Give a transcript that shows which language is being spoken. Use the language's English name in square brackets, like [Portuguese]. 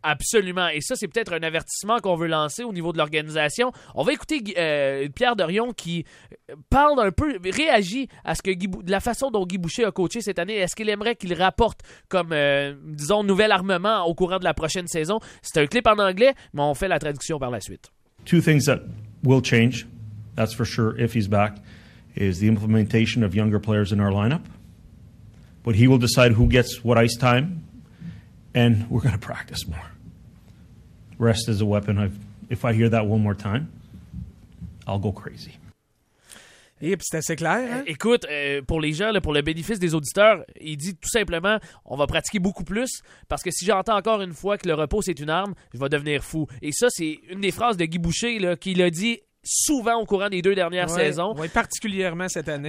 [French] Absolument, et ça c'est peut-être un avertissement qu'on veut lancer au niveau de l'organisation. On va écouter Pierre Dorion qui parle un peu, réagit à ce que la façon dont Guy Boucher a coaché cette année. Est-ce qu'il aimerait qu'il rapporte comme, disons, nouvel armement au courant de la prochaine saison? C'est un clip en anglais, mais on fait la traduction par la suite. [English] Two things that will change, that's for sure, if he's back, is the implementation of younger players in our lineup. But he will decide who gets what ice time, and we're going to practice more. Rest is a weapon. If I hear that one more time, I'll go crazy. [French] Et puis c'est assez clair. Hein? Écoute, pour les gens, là, pour le bénéfice des auditeurs, il dit tout simplement, on va pratiquer beaucoup plus parce que si j'entends encore une fois que le repos c'est une arme, je vais devenir fou. Et ça, c'est une des phrases de Guy Boucher là, qui l'a dit souvent au courant des deux dernières saisons. Oui, particulièrement cette année.